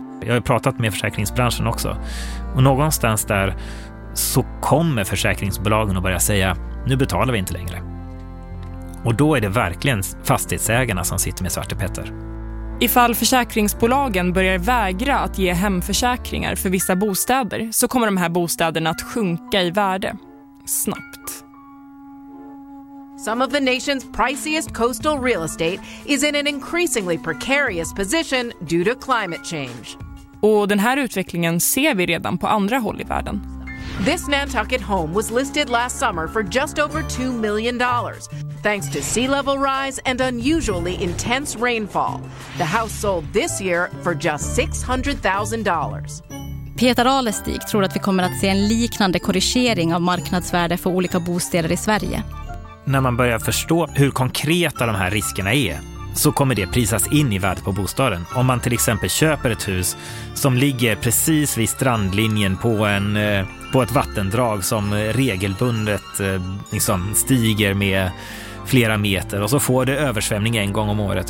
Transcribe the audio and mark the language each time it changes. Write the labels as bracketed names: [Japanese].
[Swedish] Jag har pratat med försäkringsbranschen också. Och någonstans där så kommer försäkringsbolagen att börja säga, nu betalar vi inte längre. Och då är det verkligen fastighetsägarna som sitter med svarte Petter. Ifall försäkringsbolagen börjar vägra att ge hemförsäkringar för vissa bostäder så kommer de här bostäderna att sjunka i värde. Snabbt. [English] Some of the nation's priciest coastal real estate is in an increasingly precarious position due to climate change. [Swedish] Och den här utvecklingen ser vi redan på andra håll i världen. [English] This Nantucket home was listed last summer for just over $2 million. Thanks to sea level rise and unusually intense rainfall. The house sold this year for just $600,000. [Swedish] Peter Alestig tror att vi kommer att se en liknande korrigering av marknadsvärde för olika bostäder i Sverige. När man börjar förstå hur konkreta de här riskerna är så kommer det prisas in i värdet på bostaden. Om man till exempel köper ett hus som ligger precis vid strandlinjen på ett vattendrag som regelbundet liksom stiger med flera meter och så får det översvämning en gång om året.